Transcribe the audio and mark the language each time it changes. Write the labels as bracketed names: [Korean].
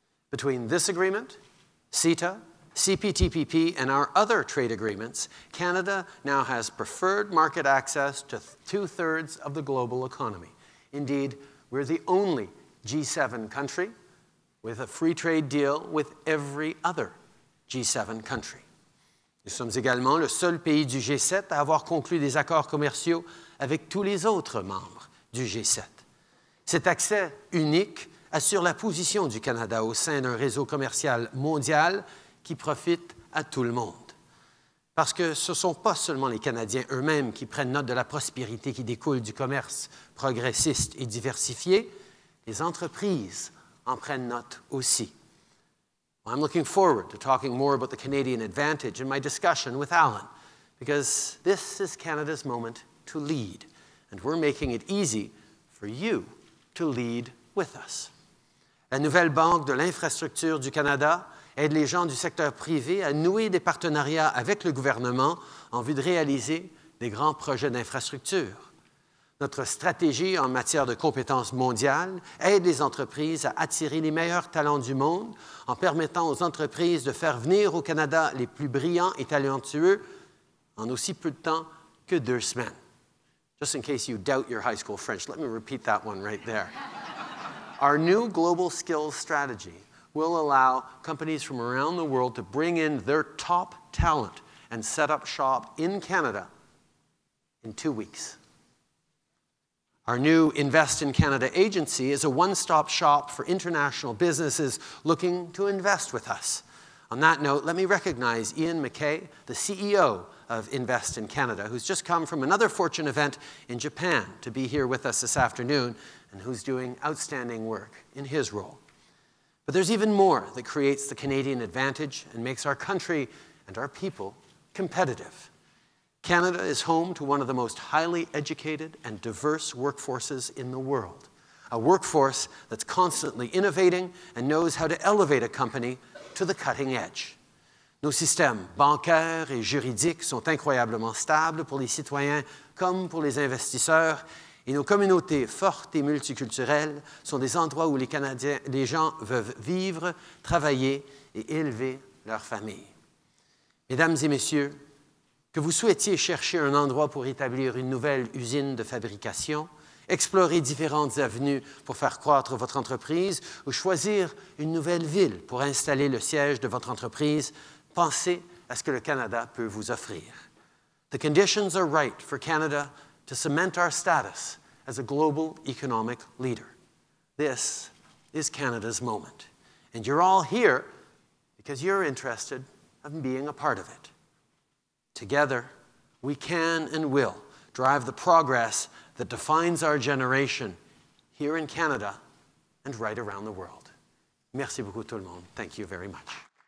[English] Between this agreement, CETA, CPTPP, and our other trade agreements, Canada now has preferred market access to two-thirds of the global economy. Indeed, we're the only G7 country with a free trade deal with every other G7 country. [French] Nous sommes également le seul pays du G7 à avoir conclu des accords commerciaux avec tous les autres membres du G7. Cet accès unique assure la position du Canada au sein d'un réseau commercial mondial qui profite à tout le monde. Parce que ce ne sont pas seulement les Canadiens eux-mêmes qui prennent note de la prospérité qui découle du commerce progressiste et diversifié, les entreprises en prennent note aussi. [English] Well, I'm looking forward to talking more about the Canadian advantage in my discussion with Alan, because this is Canada's moment to lead, and we're making it easy for you to lead with us. [French] La nouvelle banque de l'infrastructure du Canada aide les gens du secteur privé à nouer des partenariats avec le gouvernement en vue de réaliser des grands projets d'infrastructure. Notre stratégie en matière de compétences mondiales aide les entreprises à attirer les meilleurs talents du monde en permettant aux entreprises de faire venir au Canada les plus brillants et talentueux en aussi peu de temps que deux semaines. [English] Just in case you doubt your high school French, let me repeat that one right there. Our new global skills strategy will allow companies from around the world to bring in their top talent and set up shop in Canada in 2 weeks. Our new Invest in Canada agency is a one-stop shop for international businesses looking to invest with us. On that note, let me recognize Ian McKay, the CEO of Invest in Canada, who's just come from another Fortune event in Japan to be here with us this afternoon, and who's doing outstanding work in his role. But there's even more that creates the Canadian advantage and makes our country and our people competitive. Canada is home to one of the most highly educated and diverse workforces in the world, a workforce that's constantly innovating and knows how to elevate a company to the cutting edge. [French] Nos systèmes bancaires et juridiques sont incroyablement stables pour les citoyens comme pour les investisseurs, et nos communautés fortes et multiculturelles sont des endroits où les Canadiens, les gens veulent vivre, travailler et élever leur famille. Mesdames et messieurs, que vous souhaitiez chercher un endroit pour établir une nouvelle usine de fabrication, explorer différentes avenues pour faire croître votre entreprise ou choisir une nouvelle ville pour installer le siège de votre entreprise, pensez à ce que le Canada peut vous offrir. [English] The conditions are right for Canada to cement our status as a global economic leader. This is Canada's moment. And you're all here because you're interested in being a part of it. Together, we can and will drive the progress that defines our generation here in Canada and right around the world. [French] Merci beaucoup tout le monde. [English] Thank you very much.